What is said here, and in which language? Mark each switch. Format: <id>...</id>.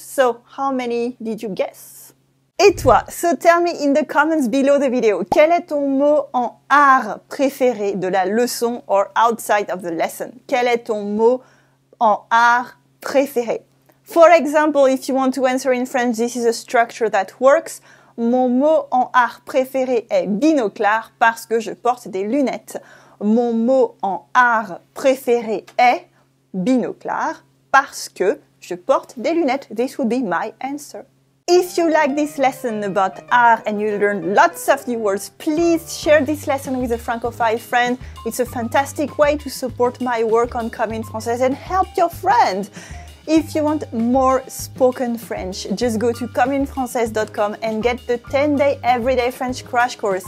<en>So, how many did you guess?</en> <fr>Et toi,</fr> <en>so tell me in the comments below the video,</en> <fr>quel est ton mot en ar préféré de la leçon</fr> <en>or outside of the lesson?</en> <fr>Quel est ton mot en ar préféré?</fr> <en>For example, if you want to answer in French, this is a structure that works.</en> <fr>Mon mot en ar préféré est binoclard parce que je porte des lunettes. mon mot en AR préféré est binoclard parce que je porte des lunettes.</fr> <en>This would be my answer. If you like this lesson about AR and you learn lots of new words, please share this lesson with a Francophile friend. It's a fantastic way to support my work on Comme Française and help your friend. If you want more spoken French, just go to commeunefrancaise.com and get the 10-day everyday French crash course.</en>